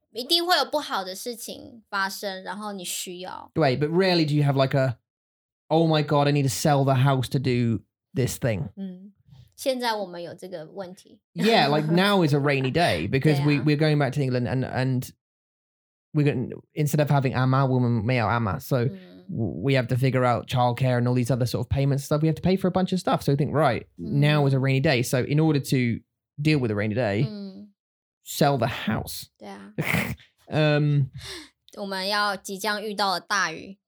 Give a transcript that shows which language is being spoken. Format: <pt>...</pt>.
<zh>一定会有不好的事情发生,然后你需要.</zh> <en>Right, but rarely do you have like a, oh my God, I need to sell the house to do this thing.</en> <zh>现在我们有这个问题。</zh> <en>Yeah, like now is a rainy day because we're going back to England and we're going, instead of having ama, woman may have ama. So we have to figure out childcare and all these other sort of payments stuff. We have to pay for a bunch of stuff. So I think, right, now is a rainy day. So in order to deal with a rainy day, sell the house. Yeah.</en> <zh>我们要即将遇到的大雨。</zh>